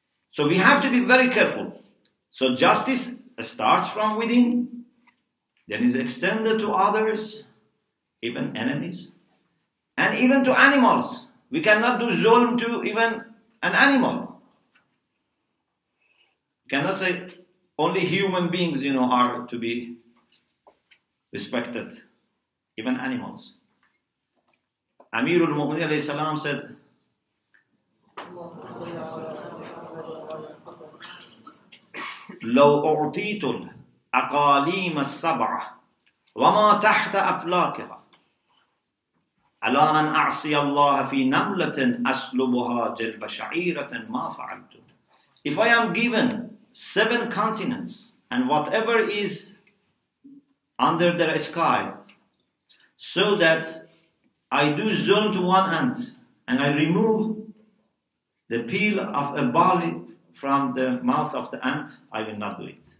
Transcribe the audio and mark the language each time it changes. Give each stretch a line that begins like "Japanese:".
English: So we have to be very careful. So justice starts from within, then is extended to others, even enemies, and even to animals. We cannot do zulm to even an animal. Cannot say only human beings, you know, are to be respected, even animals.
Arabic: Amirul Mu'minin alayhi salam said, لو أعطيت الأقاليم السبعة وما تحت أفلاكها على أن أعصي الله في نملة أسلبها جلب شعيرة ما فعلت.
English: If I am given 7 continents and whatever is under their sky, so that I do zulm to one ant and I remove the peel of a barley from the mouth of the ant, I will not do it.